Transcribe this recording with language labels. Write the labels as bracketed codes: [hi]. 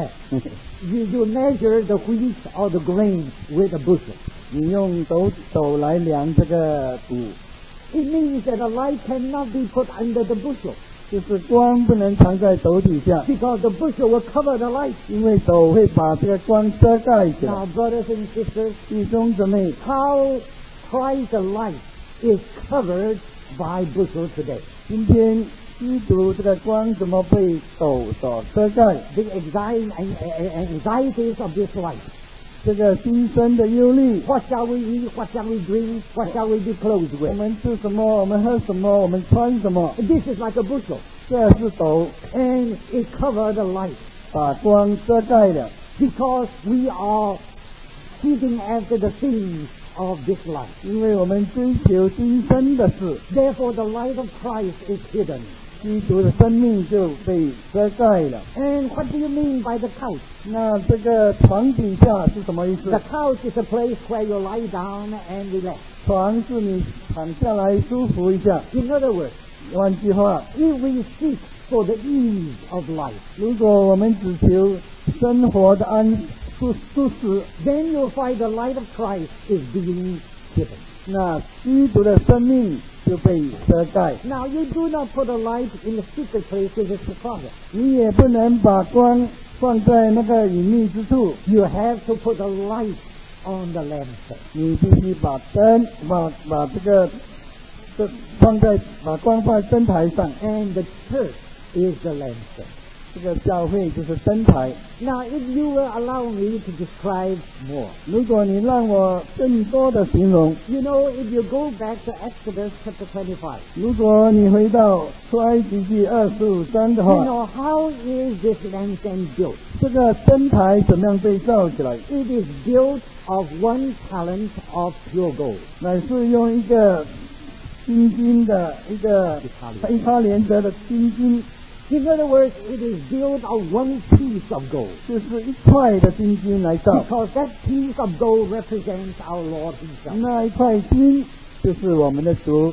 [en] You measure the wheat or the grain with a bushel. [zh] 你用斗来量这个谷。 [en] It means that a light cannot be put under the bushel. [zh] 就是光不能藏在斗底下。 [en] Because the bushel will cover the light. [zh] 因为斗会把这个光遮盖起来。 [en] Now, brothers and sisters, [zh] 弟兄姊妹， [en] how Christ's light is covered by bushel today. [zh] 今天基督这个光怎么被斗所遮盖？ [en] The anxieties of this life. [zh] 这个新生的忧虑。 [en] What shall we eat? What shall we drink? What shall we be clothed with? [zh] 我们吃什么？我们喝什么？我们穿什么？ [en] This is like a bushel. [zh] 这是斗。 [en] And it covers the light. [zh] 把光遮盖了。 [en] Because we are seeking after the things of this life. [zh] 因为我们追求今生的事。 [en] Therefore, the light of Christ is hidden. [zh] 基督的生命就被遮盖了。 [en] And what do you mean by the couch? [zh] 那这个床底下是什么意思？ [en] The couch is a place where you lie down and relax. [zh] 床是你躺下来舒服一下。 [en] In other words, [zh] 换句话， [en] if we seek for the ease of life, [zh] 如果我们只求生活的安舒适 [en] then you'll find the light of Christ is being given. [zh] 那基督的生命就被遮盖。 [en] Now you do not put a light in the secret place in the closet. [zh] 你也不能把光放在那个隐秘之处。 [en] You have to put the light on the lampstand. [zh] 你必须把灯把这个这放在把光放在灯台上。 [en] And the church is the lampstand. [zh] 这个教会就是灯台。 [en] Now, if you will allow me to describe more, [zh] 如果你让我更多的形容， [en] you know, if you go back to Exodus chapter 25, [zh] 如果你回到出埃及记二十五章的话， [en] you know, how is this lampstand built? [zh] 这个灯台怎么样被造起来？ [en] It is built of 1 talent of pure gold. [zh] 乃是用一个金金的一他连得的金金。 [en] In other words, it is built of 1 piece of gold. [zh] 就是一块的金金来造。 [en] Because that piece of gold represents our Lord Himself. [zh] 那一块金就是我们的主。